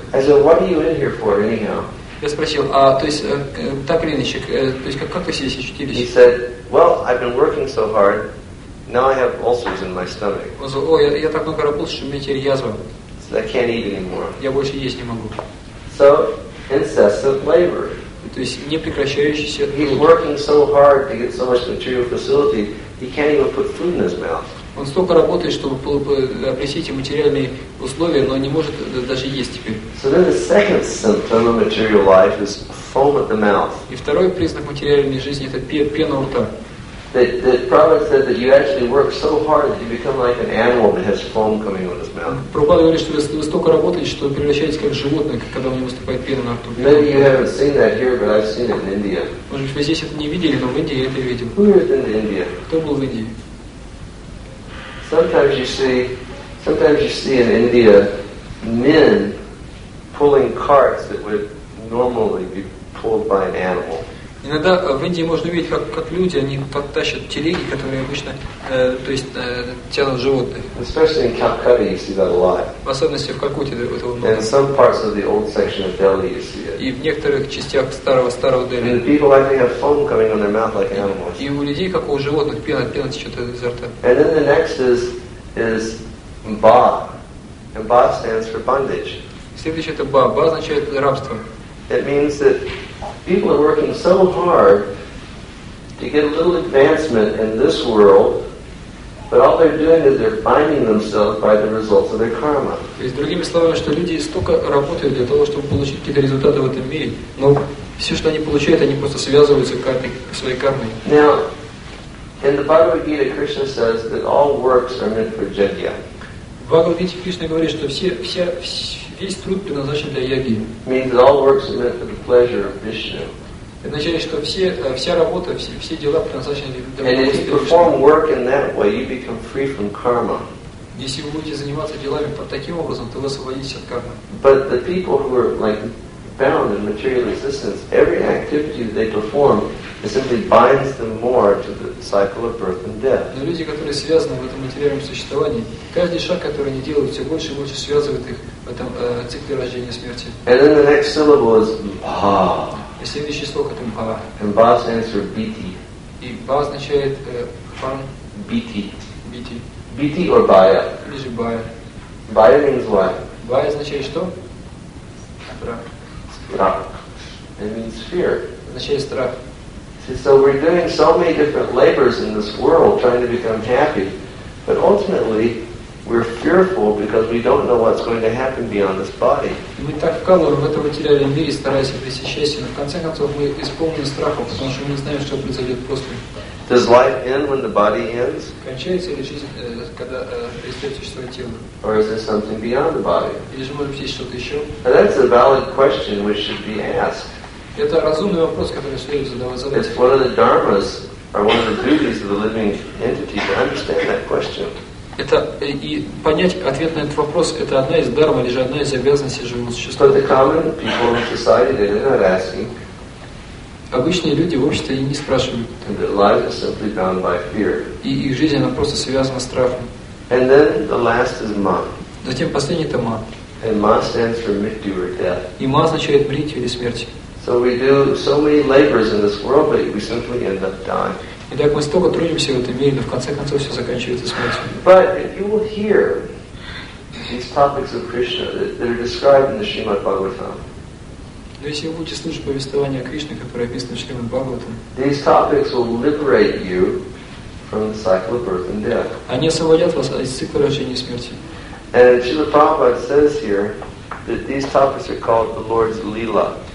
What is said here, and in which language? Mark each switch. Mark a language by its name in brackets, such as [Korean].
[English] I said, "What are you in here for, anyhow?" [Russian] Я спросил, а то есть так или иначе, то есть как вы здесь очутились? [English] He said, "Well, I've been working so hard. Now I have ulcers in my stomach." [Russian] Он сказал, "О, я так много работал, что у меня теперь язва." [English] So I can't eat anymore. [Russian] Я больше есть не могу. [English] So incessant labor. [Russian] То есть непрекращающийся труд. [English] He's working so hard to get so much material facility, he can't even put food in his mouth. [Russian] Он столько работает, чтобы обрести эти материальные условия, но не может даже есть теперь. [English] So then the second symptom of material life is foam at the mouth. [Russian] И второй признак материальной жизни — это пена у рта. [English] That Prabhupada said that you actually work so hard that you become like an animal that has foam coming out of his mouth. [Russian] Прабхупада говорит, что вы столько работаете, что превращаетесь как животное, когда у него выступает пена на рту. [English] Maybe you haven't seen that here, but I've seen it in India. [Russian] Может быть, вы здесь это не видели, но в Индии я это видел. [English] Who was in India? [Russian] Кто был в Индии? [English] Sometimes you see in India men pulling carts that would normally be pulled by an animal. [Russian] Иногда в Индии можно видеть, как люди, они подтащат телеги, которые обычно, то есть, тянут животных. [English] Especially in Calcutta, you see that a lot. [Russian] В особенности в Калькутте этого много. [English] In some parts of the old section of Delhi, you see it. [Russian] И в некоторых частях старого Дели. [English] And the people actually have foam coming on their mouth like animals. [Russian] И у людей, как у животных, пена течет изо рта. [English] And then the next is Ba. And Ba stands for bondage. [Russian] Следующее это Ба. Ба означает рабство. [English] It means that people are working so hard to get a little advancement in this world, but all they're doing is they're binding themselves by the results of their karma. [Russian] То есть, другими словами, что люди столько работают для того, чтобы получить какие-то результаты в этом мире, но все, что они получают, они просто связываются своей кармой. [English] Now, in the Bhagavad Gita, Krishna says that all works are meant for yajna. [Russian] В Бхагавад Гите Кришна говорит, что весь труд предназначен для яги. [English] Means that all works are meant for the pleasure of Vishnu. [Russian] Это означает, что вся работа, все дела предназначены для Кришны. [English] And if you perform work in that way, you become free from karma. [Russian] Если вы будете заниматься делами по таким образом, то вы освободитесь от кармы. [English] But the people who are like bound in material existence, every activity they perform, it simply binds them more to the cycle of birth and death. [Russian] Но люди, которые связаны в этом материальном существовании, каждый шаг, который они делают, все больше и больше связывает их в этом цикле рождения и смерти. [English] And then the next syllable is Ba. [Russian] И следующее слово это Ba. [English] And Ba stands for Biti. [Russian] И Ba означает Pan. [English] Biti. [Russian] Biti. [English] Biti or Baya. [Russian] Или же Baya. [English] Baya means what? [Russian] Baya означает что? Страх. [English] It means fear. [Russian] Означает страх. [English] So we're doing so many different labors in this world trying to become happy, but ultimately we're fearful because we don't know what's going to happen beyond this body. [Russian] Мы так вкалываем в этом материальном мире, стараясь обрести счастье, но в конце концов мы исполнены страхов, потому что мы не знаем, что произойдет после. [English] Does life end when the body ends? [Russian] Кончается ли жизнь, когда перестает существовать тело? [English] Or is there something beyond the body? [Russian] Или же может быть что-то еще? [English] And that's a valid question which should be asked. [Russian] Это разумный вопрос, который следует задавать. [English] It's one of the dharmas, or one of the duties of the living entity to understand that question. [Russian] Это и понять ответ на этот вопрос – это одна из дарм или же одна из обязанностей живого существа. [English] But the common people in society, they're not asking. [Russian] Обычные люди в обществе не спрашивают. [English] And their lives are simply bound by fear. [Russian] И их жизнь она просто связана с страхом. [English] And then the last is ma. [Russian] Затем последний – это ma. [English] And ma stands for mrityu or death. [Russian] И ma означает мритью или смерть. [English] So we do so many labors in this world, but we simply end up dying. [Russian] Итак, мы столько трудимся в этом мире, но в конце концов все заканчивается смертью. [English] But if you will hear these topics of Krishna that are described in the Srimad Bhagavatam. [Russian] Но если вы будете слушать повествование о Кришне, которое описано в Шримад Бхагаватам. [English] These topics will liberate you from the cycle of birth and death. [Russian] Они освободят вас из цикла рождения и смерти. [English] And Srila Prabhupada says here that these topics are called the Lord's Lila.